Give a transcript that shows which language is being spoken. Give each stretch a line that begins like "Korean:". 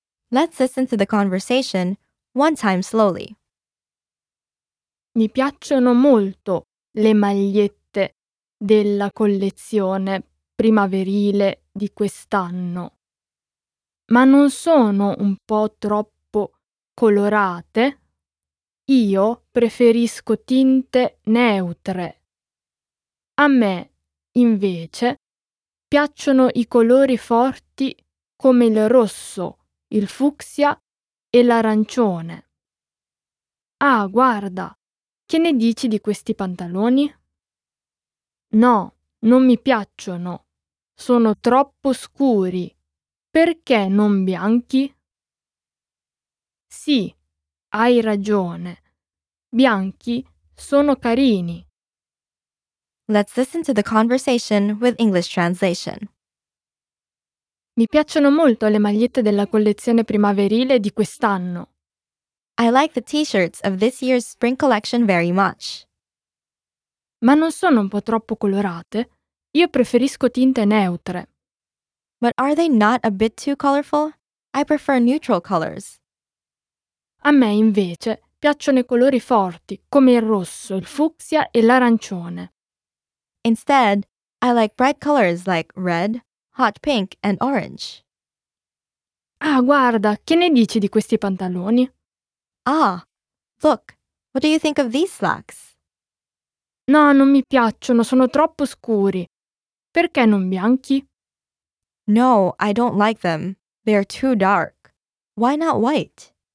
English: Let's listen to the conversation one time slowly.
Italian: Mi piacciono molto le magliette della collezione primaverile di quest'anno. Ma non sono un po' troppo colorate? Io preferisco tinte neutre. A me, invece, piacciono I colori forti come il rosso, il fucsia e l'arancione. Ah, guarda! Che ne dici di questi pantaloni? No, non mi piacciono. Sono troppo scuri. Perché non bianchi? Sì, hai ragione. Bianchi sono carini.
English: Let's listen to the conversation with English translation.
Italian: Mi piacciono molto le magliette della collezione primaverile di quest'anno.
English: I like the t-shirts of this year's spring collection very much.
Italian: Ma non sono un po' troppo colorate? Io preferisco tinte neutre.
English: But are they not a bit too colorful? I prefer neutral colors.
Italian: A me, invece, piacciono I colori forti, come il rosso, il fucsia e l'arancione.
English: Instead, I like bright colors like red, hot pink and orange.
Italian: Ah, guarda, che ne dici di questi pantaloni?
English: Ah, look, what do you think of these slacks?
Italian: No, non mi piacciono, sono troppo scuri. Perché non bianchi?
English: No, I don't like them. They are too dark. Why not white?